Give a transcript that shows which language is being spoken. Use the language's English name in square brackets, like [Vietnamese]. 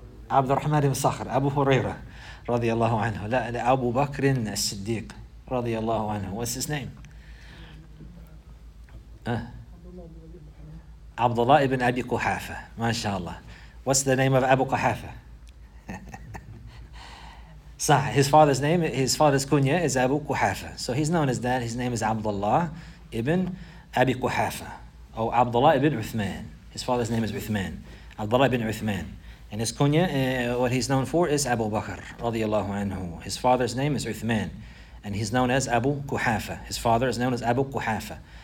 [English] Abdurrahman bin Sa'd, Abu Hurairah radiyallahu anhu. No, Abu Bakr as-Siddiq. [Arabic] رضي الله عنه. [English] What's his name? [Arabic] عبد الله بن أبي قحافة. ما شاء الله. [English] What's the name of Abu Quhafa? [Arabic] صح. [English] His father's name, his father's kunya is Abu Quhafa. So he's known as that. His name is عبد الله بن أبي قحافة. [Arabic] أو عبد الله بن عثمان. [English] His father's name is عثمان. [Arabic] عبد الله بن عثمان. [English] And his kunya, what he's known for is Abu Bakr [Arabic] رضي الله عنه. [English] His father's name is عثمان. And he's known as Abu Quhafa. His father is known as Abu Quhafa.